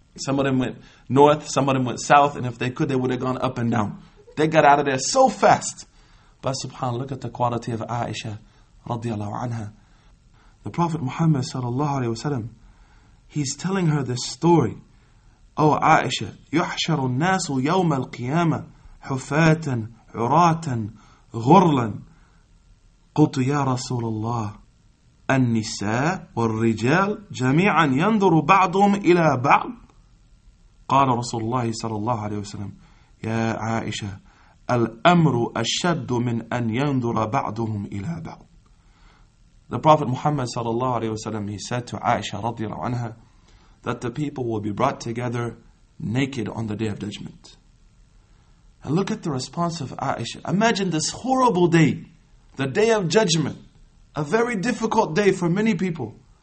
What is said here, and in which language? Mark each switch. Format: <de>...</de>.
<en>Some of them went north, some of them went south, and if they could, they would have gone up and down. They got out of there so fast. But subhanAllah, look at the quality of Aisha radiallahu anha. The Prophet Muhammad sallallahu alayhi wasallam, he's telling her this story. Oh Aisha,</en> <ar>يُحْشَرُ النَّاسُ يَوْمَ الْقِيَامَةِ حُفَاتًا عُرَاتًا غُرْلًا قُلْتُ يَا رَسُولَ اللَّهِ النِّسَاءُ وَالرِّجَالُ جَمِيعًا يَنْظُرُ بَعْضُهُمْ إِلَى بَعْضٍ قال رسول الله صلى الله عليه وسلم يا عائشة الأمر أشد من أن ينظر بعضهم إلى بعض.</ar> <en>The Prophet Muhammad</en> <ar>صلى الله عليه وسلم,</ar> <en>he said to Aisha</en> <ar>رضي الله عنها</ar> <en>that the people will be brought together naked on the day of judgment. And look at the response of Aisha. Imagine this horrible day, the day of judgment, a very difficult day for many people.</en>